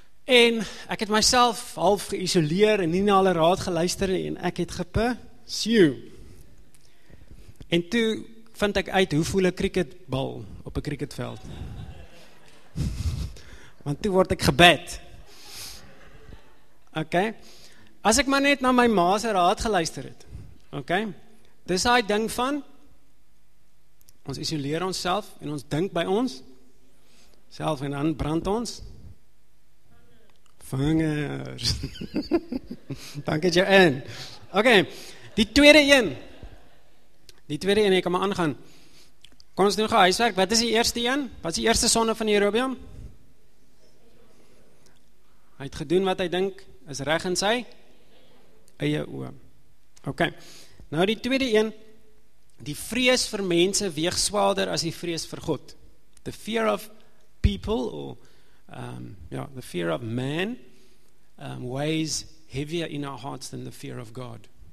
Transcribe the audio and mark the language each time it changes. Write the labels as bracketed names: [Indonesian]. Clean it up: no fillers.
[Afrikaans] En ek het myself half geïsoleer en nie na hulle raad geluister en ek het gepursue. En toe vind ek uit hoe voel 'n cricketbal op 'n cricketveld. Want toe word ek gebed. Ok, as ek maar net na my ma se raad geluister het. Ok, dis daai ding van, ons isoleer ons self en ons dink by ons self en dan brand ons vingers. Dank het jou in. Ok, die tweede een, ek kan maar aangaan. Kom ons doen gauw huiswerk, wat is die eerste een? Wat is die eerste sonde van Jerobeam? Hy het gedoen wat hy dink is reg in sy eie oor. Ok, nou die tweede een, die vrees vir mense weeg swaarder as die vrees vir God. [English] The fear of people, or the fear of man, weighs heavier in our hearts than the fear of God.